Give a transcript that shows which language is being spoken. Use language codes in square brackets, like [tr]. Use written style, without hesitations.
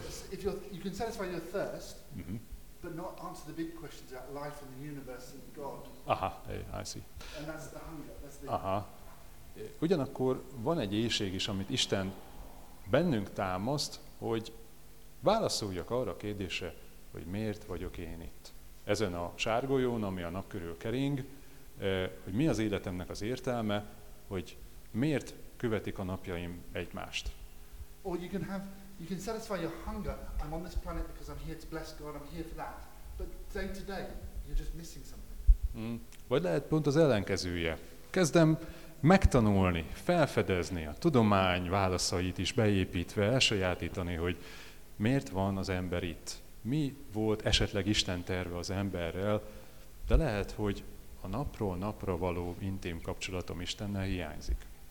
[en] If you can satisfy your thirst, but not answer the big questions about life and the universe and God. Aha, hey, I see. And that's the hunger, that's the... Aha. [hu] Ugyanakkor van egy éjség is, amit Isten bennünk támaszt, hogy válaszoljak arra a kérdésre, hogy miért vagyok én itt. Ezen a sárgolyón, ami a nap körül kering, hogy mi az életemnek az értelme, hogy miért követik a napjaim egymást. [en] Or you can have... You can satisfy your hunger. I'm on this planet because I'm here to bless God. I'm here for that. But day to day, you're just missing something. [hu] Vagy lehet pont az ellenkezője. Kezdem megtanulni, felfedezni a tudomány válaszait is beépítve, elsajátítani, hogy miért van az ember itt. Mi volt esetleg Isten terve az emberrel, de lehet, hogy a napról napra való intim kapcsolatom Istennel hiányzik.